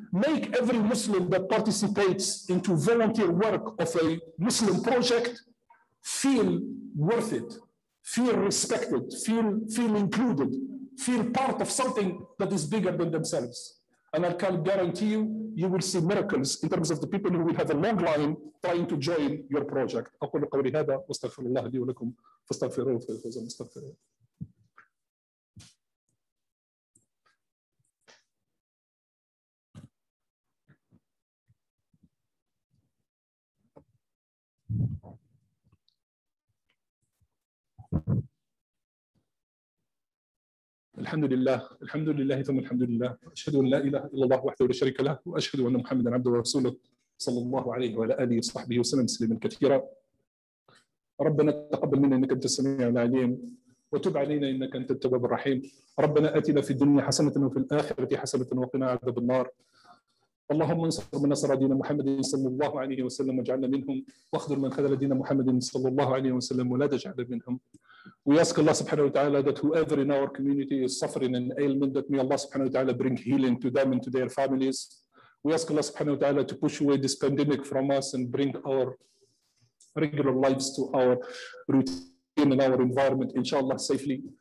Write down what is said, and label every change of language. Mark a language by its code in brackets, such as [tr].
[en] Make every Muslim that participates into volunteer work of a Muslim project feel worth it, feel respected, feel included, feel part of something that is bigger than themselves. And I can guarantee you, you will see miracles in terms of the people who will have a long line trying to join your project. [ar] أقول قولي هذا واستغفر الله لي ولكم فاستغفروه فإنه هو المستغفر. الحمد لله الحمد لله ثم الحمد لله أشهد أن لا إله إلا الله وحده لا شريك له وأشهد أن محمدا عبده ورسوله صلى الله عليه وعلى آله وصحبه وسلم تسليما كثيرا. ربنا تقبل منا إنك أنت السميع العليم وتب علينا إنك أنت التواب الرحيم. ربنا آتنا في الدنيا حسنة وفي الآخرة حسنة وقنا عذاب النار. اللهم انصر من نصر دين محمد صلى الله عليه وسلم واجعلنا منهم, واخذل من خذل دين محمد صلى الله عليه وسلم ولا تجعل منهم. [en] We ask Allah subhanahu wa ta'ala that whoever in our community is suffering an ailment, that may Allah subhanahu wa ta'ala bring healing to them and to their families. We ask Allah subhanahu wa ta'ala to push away this pandemic from us and bring our regular lives to our routine and our environment, inshallah, safely.